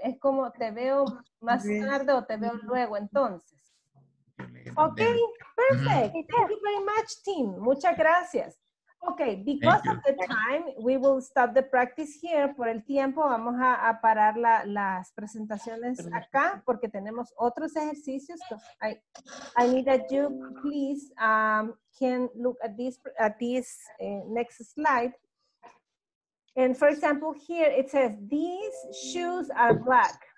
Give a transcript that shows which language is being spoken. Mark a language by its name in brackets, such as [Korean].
[Spanish] Es como te veo más tarde o te veo luego entonces. [English] Okay, perfect. Thank you very much, team. [Spanish] Muchas gracias. [English] Okay, because of the time, we will stop the practice here. [Spanish] Por el tiempo, vamos a parar las presentaciones acá porque tenemos otros ejercicios. [English] I need that you please can look at this next slide. And for example, here it says, these shoes are black.